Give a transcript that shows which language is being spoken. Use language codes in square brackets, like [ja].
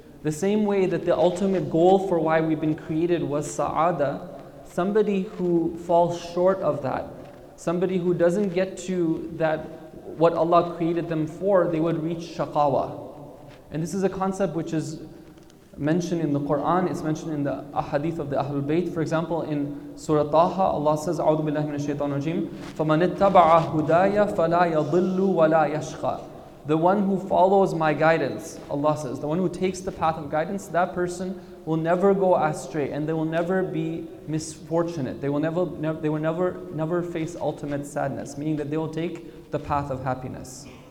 [en] The same way that the ultimate goal for why we've been created was sa'ada, somebody who falls short of that, somebody who doesn't get to that, what Allah created them for, they would reach shaqawa. And this is a concept which is mentioned in the Quran, it's mentioned in the ahadith of the Ahlul Bayt. For example, in Surah Taha, Allah says, [ar] أعوذ بالله من الشيطان الرجيم فمن اتبع هدايا فلا يضل ولا يشقى. [en] The one who follows my guidance, Allah says, the one who takes the path of guidance, that person will never go astray, and they will never be misfortunate. They will never face ultimate sadness, meaning that they will take the path of happiness.